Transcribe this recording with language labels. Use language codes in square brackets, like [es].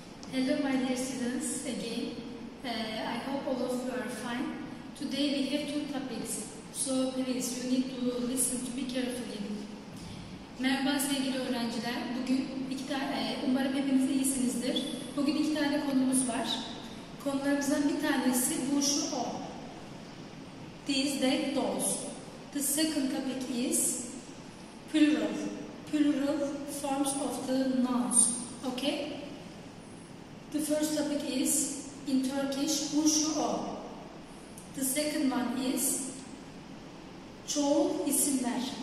[en] Hello my dear students, again, I hope all of you are fine. Today we have two topics, so please you need to listen to me carefully. [tr] Merhaba sevgili öğrenciler, bugün iki tane, umarım hepiniz iyisinizdir. Bugün iki tane konumuz var. Konularımızdan bir tanesi bu şu o. [en] These, they, those. The second topic is plural. Plural forms of the nouns, okay? The first topic is in Turkish bu şu o. The second one is çoğul isimler.